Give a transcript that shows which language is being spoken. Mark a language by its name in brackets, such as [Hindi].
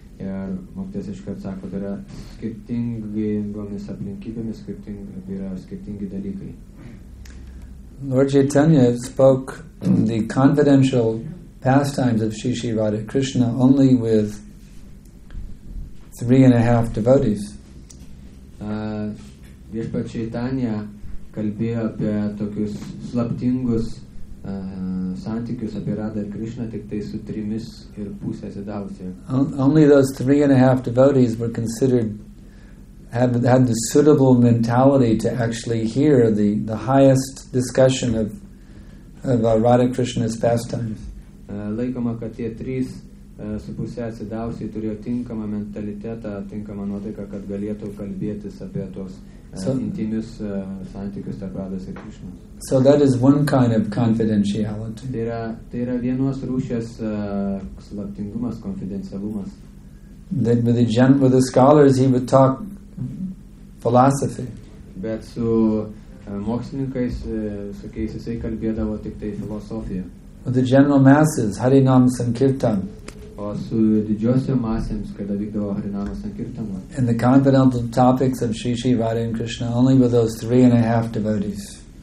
[Lithuanian] Ir mokytis iškart sako, tai yra skirtingomis aplinkybėmis, skirtingi dalykai. [English] Lord Chaitanya spoke the confidential pastimes of Sri Sri Radha Krishna only with 3.5 devotees. [Lithuanian] Viešpats Chaitanya kalbėjo apie tokius slaptingus santykius apie Radha Krishna tik tai su 3.5 sedavusiai. [English] Only those 3.5 devotees were considered had the suitable mentality to actually hear the highest discussion of Radha Krishna's pastimes. [Lithuanian] Laikoma, kad tie 3.5 atsidavusiai turėjo tinkamą mentalitetą, tinkamą nuotaiką, kad galėtų kalbėtis apie tos intimius santykius tarp Radhas ir Krishna. [English] So that is one kind of confidentiality. [Lithuanian] Tai yra vienos rūšės slaptingumas, konfidencialumas. [English] Then with the scholars he would talk philosophy. [Lithuanian] Bet su mokslininkais, su kiais jisai kalbėdavo tik tai filosofiją. [English] With the general masses, Harinam Sankirtan. [Lithuanian] O su didžiosiom masėms, kada vykdavo Harinam Sankirtan. [English] And the confidential topics of Sri Sri Radha and Krishna only with those 3.5 devotees.